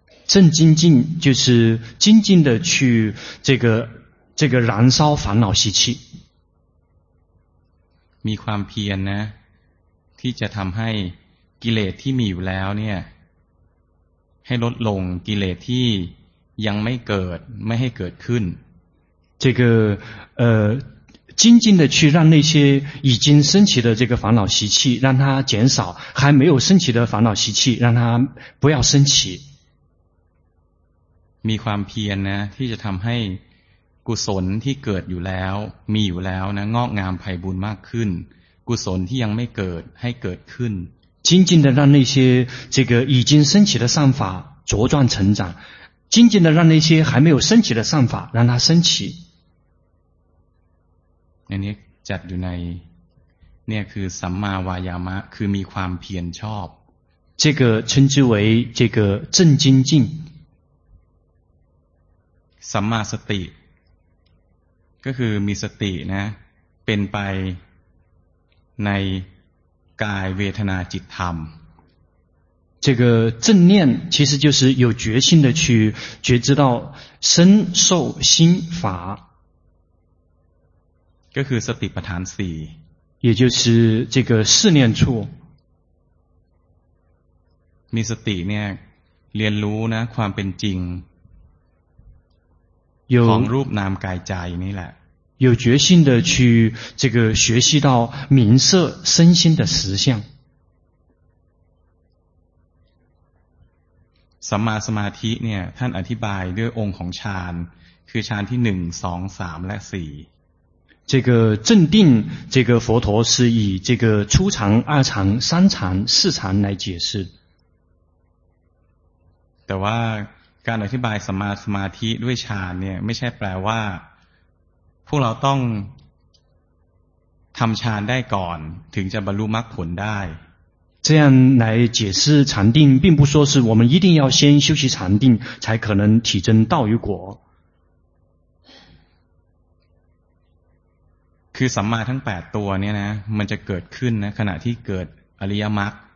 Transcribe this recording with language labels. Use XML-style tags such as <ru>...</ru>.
<zh>正精进就是精进的去这个燃烧烦恼习气</zh> <th>มีความเพียรนะที่จะทำให้กิเลสที่มีอยู่แล้วเนี่ยให้ลดลงกิเลสที่ยังไม่เกิดไม่ให้เกิดขึ้น</th> <zh>这个精进的去让那些已经升起的这个烦恼习气让它减少还没有升起的烦恼习气让它不要升起</zh> <th>มีความเพียรนะที่จะทำให้กุศลที่เกิดอยู่แล้วมีอยู่แล้วนะงอกงามไพบูลย์มากขึ้นกุศลที่ยังไม่เกิดให้เกิดขึ้น</th> <zh>精进的让那些这个已经升起的善法茁壮成长精进的让那些还没有升起的善法让它升起</zh> <th>อันนี้จัดอยู่ในเนี่ยคือสัมมาวายามะคือมีความเพียรชอบ</th> <zh>这个称之为这个正精进</zh> <th>สัมมาสติก็คือมีสตินะเป็นไปในกายเวทนาจิตธรรม</th> <zh>这个正念其实就是有决心的去觉知到身受心法</zh> <th>ก็คือสติปัฏฐาน4</th> <zh>也就是这个四念处</zh> <th>มีสติเนี่ยเรียนรู้นะความเป็นจริง ของรูปนามกายใจนี่แหละ</th> <zh>有决心的去这个学习到名色身心的实相</zh> <th>สัมมาสมาธิเนี่ยท่านอธิบายด้วยองค์ของฌานคือฌานที่1 2 3และ4</th> <zh>这个正定这个佛陀是以这个初禅二禅三禅四禅来解释</zh> <th>แต่ว่าการอธิบายสมาธิด้วยฌานเนี่ยไม่ใช่แปลว่าพวกเราต้องทำฌานได้ก่อนถึงจะบรรลุมรรคผลได้</th> <zh>这样来解释禅定并不说是我们一定要先修习禅定才可能体证道与果</zh> <th>คือสัมมาทั้ง8ตัวเนี่ยนะมันจะเกิดขึ้นนะขณะที่เกิดอริยมรรค</th>